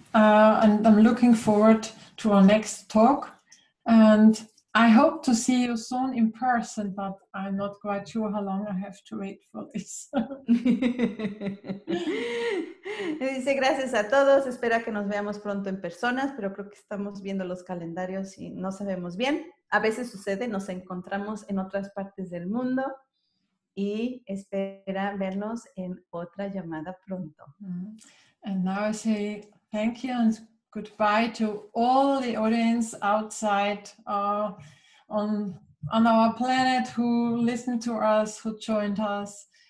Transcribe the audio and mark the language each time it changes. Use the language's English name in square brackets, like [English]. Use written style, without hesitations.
[English] And I'm looking forward to our next talk. And I hope to see you soon in person, but I'm not quite sure how long I have to wait for this. [Spanish] Dice gracias a todos. Espera que nos veamos pronto en personas, pero creo que estamos viendo los calendarios y no sabemos bien. A veces sucede, nos encontramos en otras partes del mundo y espera vernos en otra llamada pronto. [English] And now I say thank you and goodbye to all the audience outside on our planet who listened to us, who joined us.